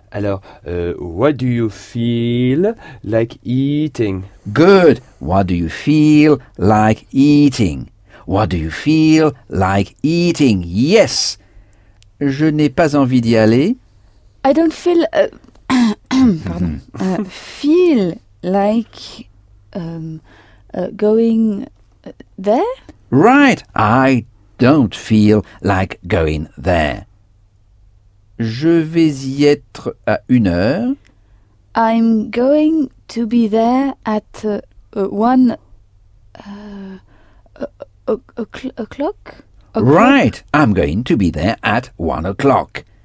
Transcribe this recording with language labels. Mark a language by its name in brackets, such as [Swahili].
[English] Alors, what do you feel like eating? Good. What do you feel like eating? What do you feel like eating? Yes. [French] Je n'ai pas envie d'y aller. [English] I don't feel... pardon. feel like going there? Right. I don't feel like going there. [French] Je vais y être à une heure. [English] I'm going to be there at one o'clock. Right. I'm going to be there at 1 o'clock.